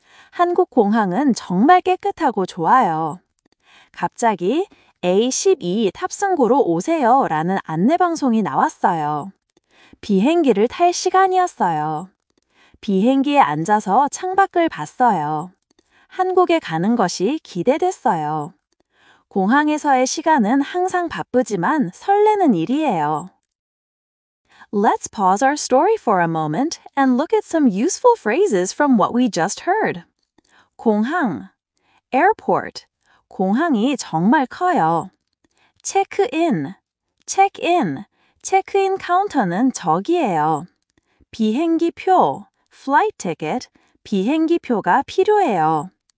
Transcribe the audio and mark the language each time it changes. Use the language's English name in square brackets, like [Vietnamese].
[Korean] 한국 공항은 정말 깨끗하고 좋아요. 갑자기 A12 탑승구로 오세요 라는 안내방송이 나왔어요. 비행기를 탈 시간이었어요. 비행기에 앉아서 창밖을 봤어요. 한국에 가는 것이 기대됐어요. 공항에서의 시간은 항상 바쁘지만 설레는 일이에요. [English] Let's pause our story for a moment and look at some useful phrases from what we just heard. [Korean] 공항, airport, 공항이 정말 커요. check-in 카운터는 저기예요. 비행기표, [English] flight ticket, [Korean] 비행기표가 필요해요.